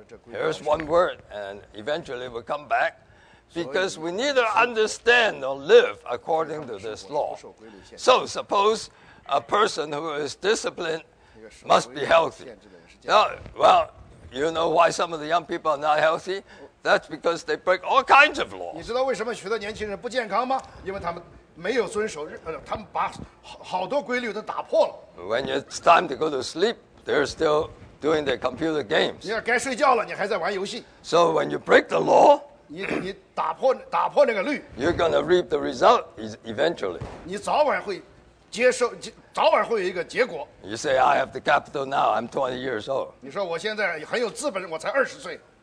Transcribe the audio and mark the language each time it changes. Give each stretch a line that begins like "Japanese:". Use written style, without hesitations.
English: Here's one word, and eventually we'll come back. Because we neither understand nor live according to this law. So suppose a person who is disciplined must be healthy. Now, well, you know why some of the young people are not healthy? That's because they break all kinds of laws.
Chinese: 你知道为什么许多年轻人不健康吗？因为他们没有遵守，他们把好多规律都打破了。
English: When it's time to go to sleep, they're still doing their computer games.
Chinese: 你要该睡觉了，你还在玩游戏。
English: So when you break the law,
Chinese: 你打破那个律。
English: You're gonna reap the result eventually.
Chinese: 你早晚会。接受早晚会有一个结果。
English: You say I have the capital now. I'm 20 years old.
Chinese: 你说我现在很有资本，我才二十岁。